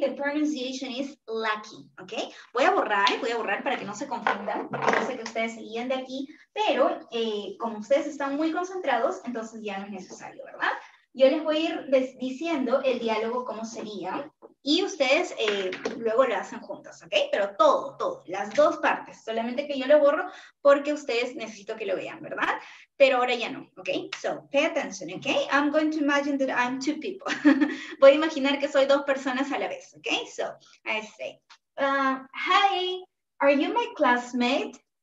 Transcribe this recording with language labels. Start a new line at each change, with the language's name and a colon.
English: The pronunciation is lucky,
Spanish: ¿ok? Voy a borrar para que no se confundan, porque yo sé que ustedes seguían de aquí, pero como ustedes están muy concentrados, entonces ya no es necesario, ¿verdad? Yo les voy a ir diciendo el diálogo cómo sería y ustedes luego lo hacen juntos, ¿ok? Pero todo, todo, las dos partes, solamente que yo lo borro porque ustedes necesito que lo vean, ¿verdad? Pero ahora ya no, ¿ok?
English: So, pay attention,
Spanish: ¿ok?
English: I'm going to imagine that I'm two people.
Spanish: Voy a imaginar que soy dos personas a la vez, ¿ok?
English: So, I say, hi, are you my classmate?